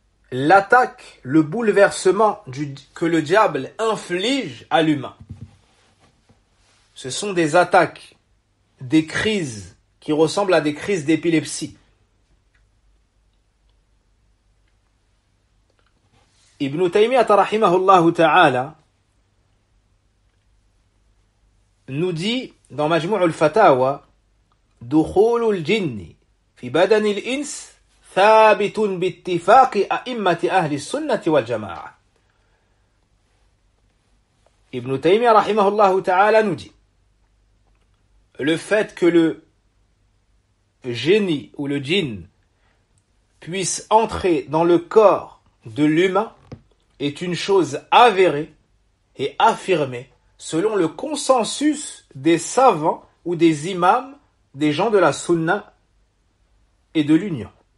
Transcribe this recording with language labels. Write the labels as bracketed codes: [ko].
[fr] l'attaque, le bouleversement que le diable inflige à l'humain. Ce sont des attaques, des crises qui ressemblent à des crises d'épilepsie. [ar] Ibn Taymiyyah rahimahullah ta'ala [fr] nous dit dans [ar] Majmou' al-Fatawa, دخول الجن في بدن الإنس ثابت باتفاق أئمة أهل السنة والجماعة. [fr] Ibn Taymiyyah rahimahullah ta'ala nous dit, le fait que le génie ou le djinn puisse entrer dans le corps de l'humain est une chose avérée et affirmée selon le consensus des savants ou des imams, des gens de la sunna et de l'union.